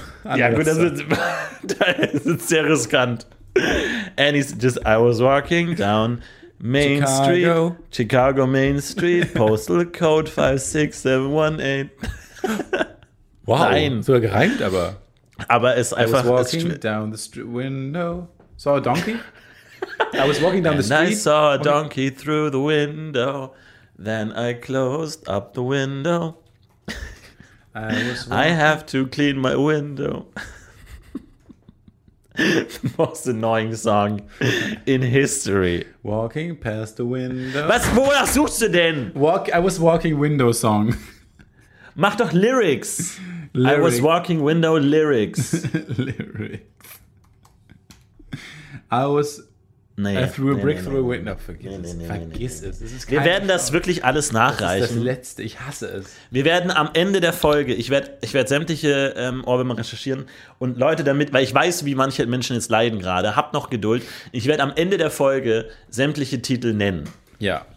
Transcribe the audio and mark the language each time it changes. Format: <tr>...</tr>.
<de>Ja gut, das ist, da ist es sehr riskant.</de> <en>And he's just, I was walking down Main Chicago. Street, Chicago Main Street, Postal Code 56718.</en> <de>Wow, nein. Sogar gereimt, aber. Aber es ist einfach.</de> <en>I was walking down the street window, saw a donkey. I was walking down and the street. I saw a donkey through the window, then I closed up the window. I have to clean my window. The most annoying song in history. Walking past the window.</en> <de>Was, woher suchst du denn?</de> <en>I was walking window song.</en> <de>Mach doch Lyrics.</de> <en>Lyric. I was walking window lyrics. Lyrics. I was... Nee, I threw a brick through a window.</en> <de>Vergiss es. Wir werden das wirklich alles nachreichen. Das ist das Letzte. Ich hasse es. Wir werden am Ende der Folge, ich werde sämtliche Orbe mal recherchieren und Leute damit, weil ich weiß, wie manche Menschen jetzt leiden gerade. Habt noch Geduld. Ich werde am Ende der Folge sämtliche Titel nennen. Ja.</de>